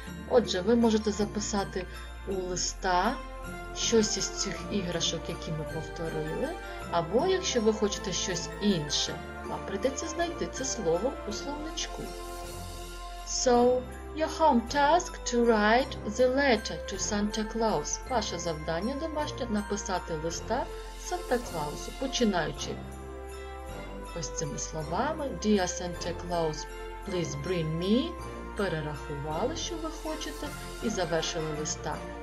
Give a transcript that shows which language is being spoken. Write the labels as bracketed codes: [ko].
[uk] Отже, ви можете записати у листа щось із цих іграшок, які ми повторили, або якщо ви хочете щось інше, вам прийдеться знайти це слово у словничку. [en] So, your home task to write the letter to Santa Claus. [uk] Ваше завдання домашнє – написати листа Санта Клаусу, починаючи ось цими словами. [en] Dear Santa Claus, please bring me. [uk] Перерахували, що ви хочете, і завершили листа.